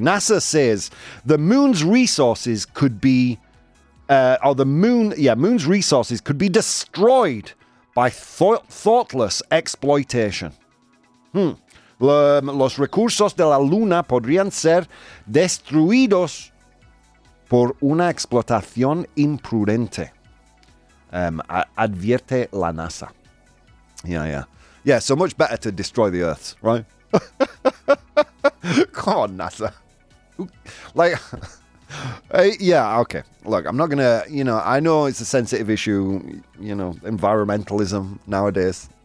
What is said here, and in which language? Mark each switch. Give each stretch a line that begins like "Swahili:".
English: NASA says the moon's resources could be moon's resources could be destroyed by thoughtless exploitation.
Spanish: Los recursos de la luna podrían ser destruidos por una explotación imprudente. Advierte la NASA.
English: Yeah, so much better to destroy the Earth, right? Come on, NASA. Okay. Look, I'm not going to, I know it's a sensitive issue, environmentalism nowadays.